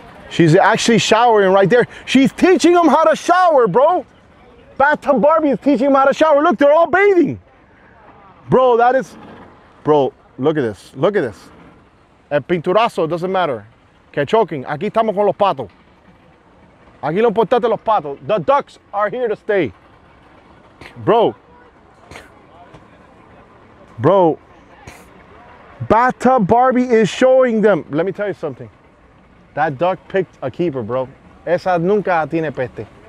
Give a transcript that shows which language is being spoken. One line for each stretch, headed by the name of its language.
English: She's actually showering right there. She's teaching them how to shower, bro. BathTub Barbie is teaching them how to shower. Look, they're all bathing. Bro, look at this.
Spanish: El pinturazo,
English: it doesn't matter.
Spanish: Que choking, aquí estamos con los patos. Aquí lo importante los patos.
English: The ducks are here to stay. Bro. BathTub Barbie is showing them. Let me tell you something. That duck picked a keeper, bro.
Spanish: Esa nunca tiene peste.